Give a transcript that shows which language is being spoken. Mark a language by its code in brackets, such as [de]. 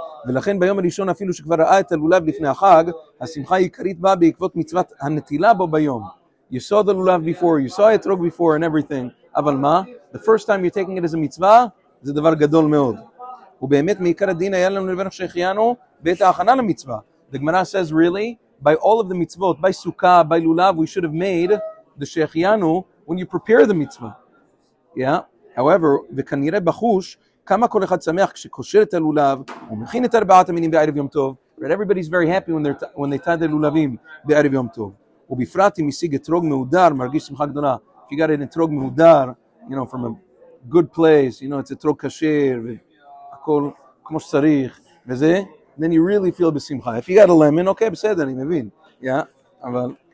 [he] ולכן ביום הראשון אפילו שכבר ראה את הלולב לפני החג, השמחה העיקרית באה בעקבות מצוות הנטילה בו ביום. [en] You saw the lulav before, you saw etrog before and everything. [he] אבל מה? [en] The first time you're taking it as a mitzvah, [he] זה דבר גדול מאוד. ובאמת מעיקר הדין היה לנו לבין שהחיינו בעת ההכנה למצווה. [en] The Gemara says, really, by all of the mitzvot, by sukkah, by lulav, we should have made the שהחיינו when you prepare the mitzvah. Yeah? [he] However, וכנראה בחוש, כמה כל אחד שמח כשקושר את הלולב, ומכין את ארבעת המינים בערב יום טוב, [en] but everybody's very happy when they tie their lulavim [he] בערב יום טוב. ובפרט אם השיג אתרוג מהודר, מרגיש שמחה גדולה. [en] If you got an אתרוג מהודר, you know, from a good place, you know, it's אתרוג כשר, [he] והכל כמו שצריך, וזה, [en] then you really feel בשמחה. If you got a lemon, okay, [he] בסדר, אני מבין. [en] Yeah, אבל...